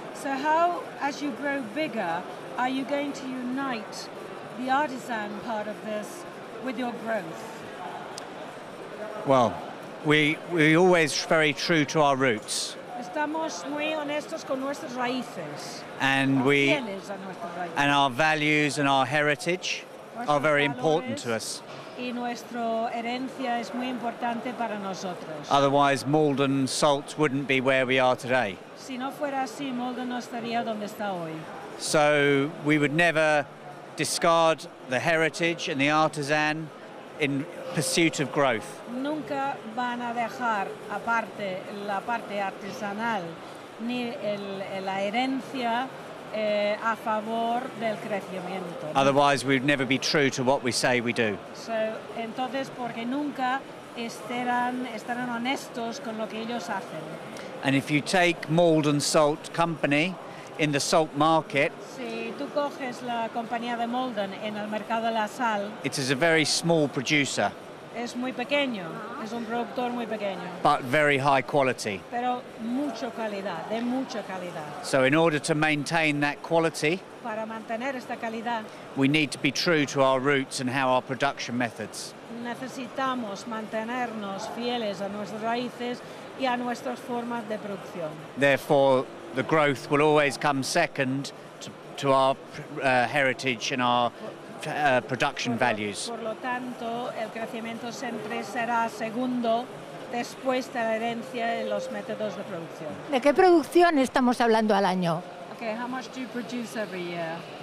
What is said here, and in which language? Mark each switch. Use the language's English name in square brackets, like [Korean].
[English] So how, as you grow bigger, are you going to unite the artisan part of this with your growth? Well, we're always very true to our roots. [Spanish] Estamos muy honestos con nuestras raíces. [English] And we, [Spanish] fieles a nuestras raíces. [English] And our values and our heritage are very important to us. [Spanish] Y nuestra herencia es muy importante para nosotros. [English] Otherwise, Maldon Salt wouldn't be where we are today. [Spanish] Si no fuera así, Maldon no estaría donde está hoy. [English] So we would never discard the heritage and the artisan in pursuit of growth. [Spanish] Nunca van a dejar aparte la parte artesanal ni la herencia a favor del crecimiento. [English] Otherwise, we'd never be true to what we say we do. [Spanish] So, entonces, porque nunca estarán honestos con lo que ellos hacen. [English] And if you take Maldon Salt Company in the salt market, [Spanish] si tú coges la compañía de Maldon en el mercado de la sal, [English] it is a very small producer. [Spanish] Es muy pequeño, es un productor muy pequeño. [English] But very high quality. [Spanish] Pero mucho calidad, de mucha calidad. [English] So in order to maintain that quality, [Spanish] para mantener esta calidad, [English] we need to be true to our roots and how our production methods. [Spanish] Necesitamos mantenernos fieles a nuestras raíces y a nuestras formas de producción. [English] Therefore, the growth will always come second to our heritage and our production values. [Spanish] Por lo tanto, el crecimiento siempre será segundo después de la herencia de los métodos de producción. ¿De qué producción estamos hablando al año? [English] Okay, how much do you produce every year?